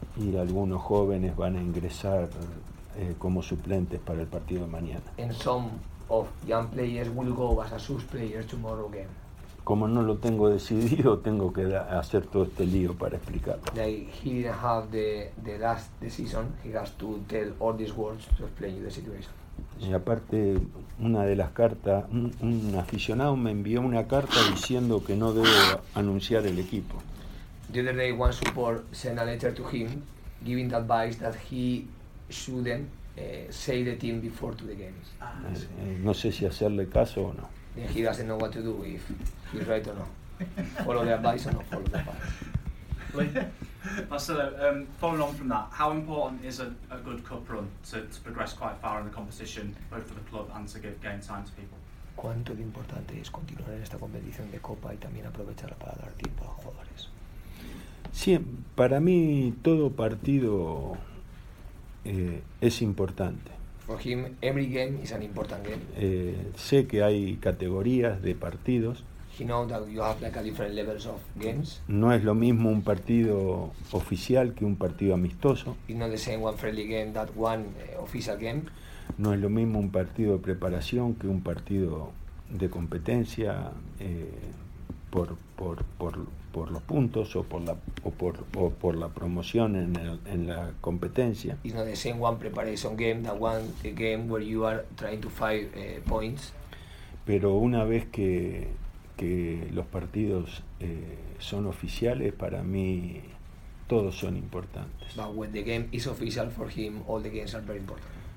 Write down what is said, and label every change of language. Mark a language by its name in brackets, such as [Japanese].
[Spanish] Y algunos jóvenes van a ingresar como suplentes para el partido de mañana. [English] And some of young players will go as a sub player tomorrow game. [Spanish] Como no lo tengo decidido, tengo que hacer todo este lío para explicarlo. [English] He didn't have the last decision. He has to tell all these words to explain you the situation. [Spanish] Y aparte, una de las cartas, un aficionado me envió una carta diciendo que no debo anunciar el equipo. [English] The other day, one support sent a letter to him, giving the advice that he shouldn't say the team before to the games. [Spanish] No sé si hacerle caso o no. [English] Then he doesn't know what to do, if he's right or not. Follow the advice or not follow the advice. Marcelo, following on from that, how important is a good cup run to progress quite far in the competition, both for the club and to give game time to people? [Spanish] ¿Cuánto de importante es continuar en esta competición de Copa y también aprovecharla para dar tiempo a los jugadores? Sí, para mí todo partido es importante. [English] For him, every game is an important game. [Spanish] Sé que hay categorías de partidos. [English] He knows that you have like a different levels of games. [Spanish] No es lo mismo un partido oficial que un partido amistoso. [English] It's not the same one friendly game that one official game. [Spanish] No es lo mismo un partido de preparación que un partido de competencia por los puntos o por la promoción en la competencia. [English] It's not the same one preparation game that one game where you are trying to find points. [Spanish] Pero una vez que los partidos son oficiales, para mí todos son importantes. [English] But when the game is official for him, all the games are very important.